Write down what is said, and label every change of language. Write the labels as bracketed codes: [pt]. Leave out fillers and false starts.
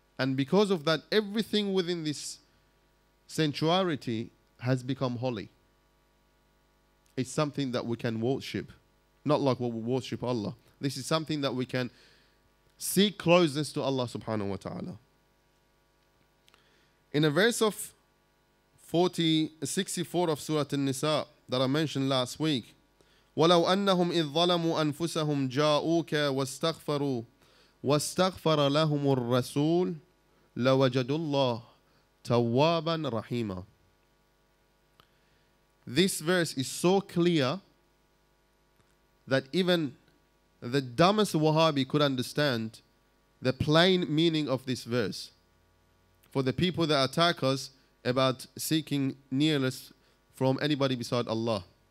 [en] And because of that, everything within this sanctuary has become holy. It's something that we can worship. Not like what we worship Allah. This is something that we can seek closeness to Allah subhanahu wa ta'ala. In a verse of 64 of Surah An-Nisa that I mentioned last week, [ar] وَلَوْ أَنَّهُمْ إِذْ ظَلَمُوا أَنفُسَهُمْ جَاءُوكَ وَاسْتَغْفَرُوا وَاسْتَغْفَرَ لَهُمُ الرَّسُولُ لَوَجَدُوا اللَّهَ تَوَّابًا رَحِيمًا. [en] This verse is so clear that even the dumbest Wahhabi could understand the plain meaning of this verse. For the people that attack us about seeking nearness from anybody beside Allah.